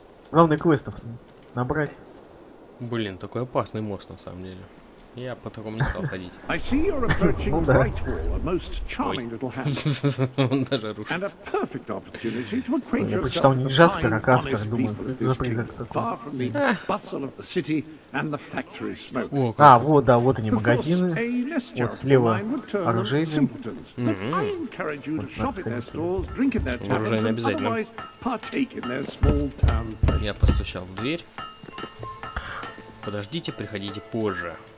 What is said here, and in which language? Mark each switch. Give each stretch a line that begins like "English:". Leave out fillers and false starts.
Russian: Главное квестов набрать. Блин, такой опасный мост на самом деле. Я по такому не стал ходить.
English: I see you're approaching Brightwall, a most charming little hamlet.
Russian: Он даже рушится.
English: And a perfect opportunity to acquaint yourself.
Russian: Я прочитал не Джаспер, а Каспер, думаю, за призрак такой.
English: Far from the bustle of the city and the factory smoke.
Russian: А, вот, да, вот они магазины. Вот слева оружейные. Оружейные обязательно. Я постучал в дверь. Подождите, приходите позже.